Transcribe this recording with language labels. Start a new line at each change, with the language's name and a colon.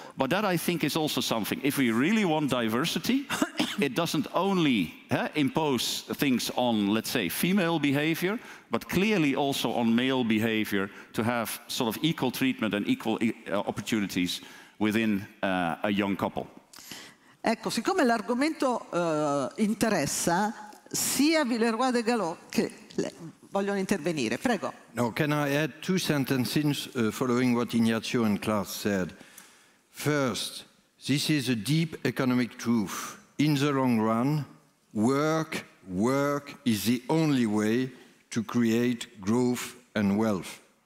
English: But that I think is also something. If we really want diversity, it doesn't only impose things on, let's say, female behavior, but clearly also on male behavior to have sort of equal treatment and equal opportunities within a young couple.
Italian: Ecco, siccome l'argomento interessa sia Villeroy de Galo che vogliono intervenire. Prego.
English: No, can I add two sentences following what Ignazio and Klaas said? First, this is a deep economic truth. In the long run, work is the only way to create growth and wealth.